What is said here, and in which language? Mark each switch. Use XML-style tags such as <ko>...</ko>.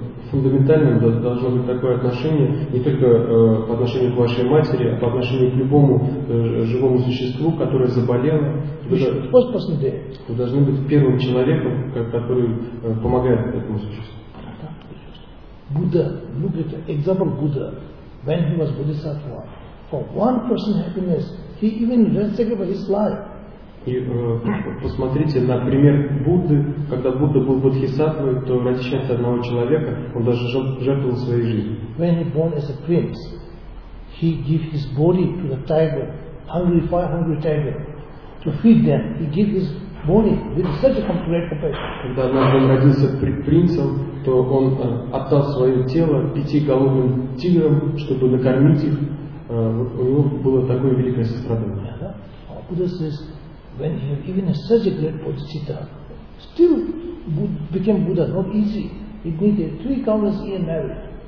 <ru>Фундаментальным должно быть такое отношение не только по отношению к вашей матери, а по отношению к любому живому существу, которое заболело. Вы должны быть первым человеком, который помогает этому существу.</ru> <en>Будда, look at the example Buddha, when he was Bodhisattva. For one person happiness, he even sacrificed his life.</en> <ru>И посмотрите на пример Будды. Когда Будда был бодхисаттвой, то ради счастья одного человека он даже жертвовал своей жизнью.</ru> <en>When he born as a prince, he give his body to the tiger, hungry, five hungry tiger, to feed them. He give his body with such a complete compassion.</en> <ru>Когда он родился принцем, то он отдал свое тело пяти голодным тиграм, чтобы накормить их. У него было такое великое сострадание.</ru> <en>Будда says, when he had even such a great bodhicitta, still became Buddha, not easy. It needed 3 countless years marriage.</en>